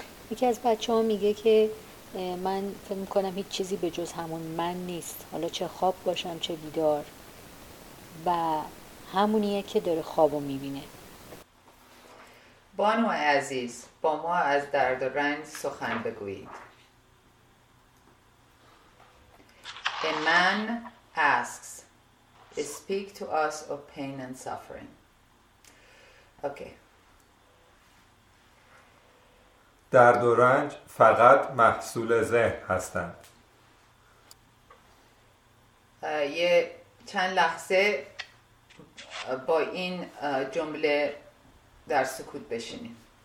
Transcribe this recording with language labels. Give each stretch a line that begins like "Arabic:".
Persian: یکی از بچه ها میگه که من فکر میکنم هیچ چیزی به جز همون من نیست، حالا چه خواب باشم چه بیدار، و همونیه که داره خوابو میبینه. بانو عزیز، با ما از درد و رنج سخن بگویید.
English: A man asks, speak to us of pain and suffering. Okay.
Persian: درد و رنج فقط محصول ذهن هستند. یه چند لحظه با این جمله در سکوت بشینیم.